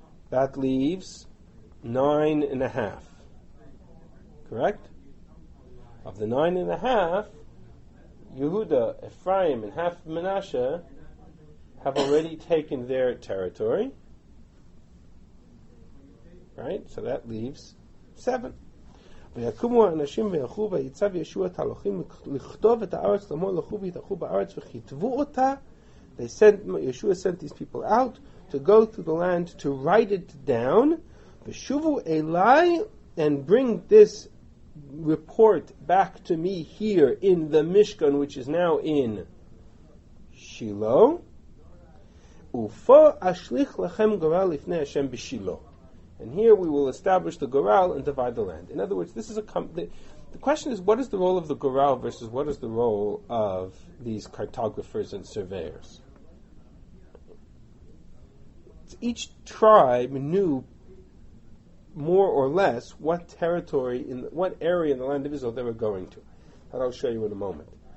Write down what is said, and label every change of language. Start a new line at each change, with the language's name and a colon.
English: That leaves nine and a half. Correct? Of the nine and a half, Yehuda, Ephraim, and half Manasseh have already taken their territory. Right? So that leaves seven.
Hebrew: ויקומו האנשים וילכו ויצב ישוע את הלוחים לכתוב את הארץ לאמור לכו ויתהלכו בארץ וכתבו אותה.
English: They sent, Yeshua sent these people out to go through the land to write it down.
Hebrew: ושובו אליי,
English: and bring this report back to me here in the Mishkan, which is now in Shiloh.
Hebrew: ופה אשליך לכם גורל לפני השם בשילוה.
English: And here we will establish the goral and divide the land. In other words, this is a the question is, what is the role of the goral versus what is the role of these cartographers and surveyors? Each tribe knew more or less what territory, what area in the land of Israel they were going to. That I'll show you in a moment.